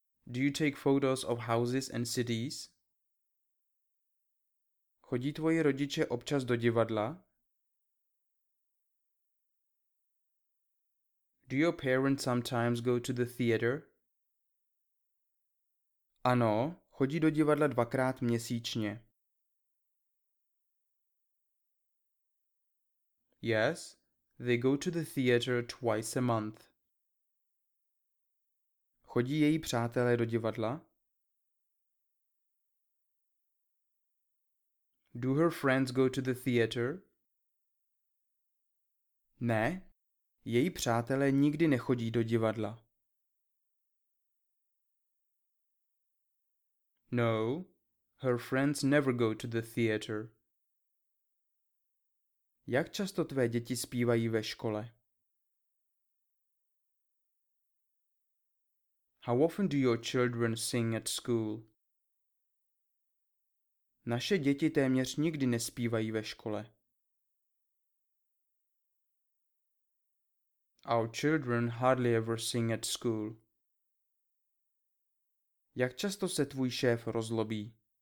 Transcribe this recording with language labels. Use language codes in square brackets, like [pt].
[en] Do you take photos of houses and cities? [cs] Chodí tvoji rodiče občas do divadla? [en] Do your parents sometimes go to the theater? [cs] Ano, chodí do divadla dvakrát měsíčně. [en] Yes, they go to the theater twice a month. [cs] Chodí její přátelé do divadla? [en] Do her friends go to the theater? [cs] Ne, její přátelé nikdy nechodí do divadla. [en] No, her friends never go to the theater. [cs] Jak často tvé děti zpívají ve škole? [en] How often do your children sing at school? [cs] Naše děti téměř nikdy nespívají ve škole. [en] Our children hardly ever sing at school. [cs] Jak často se tvůj šéf rozlobí?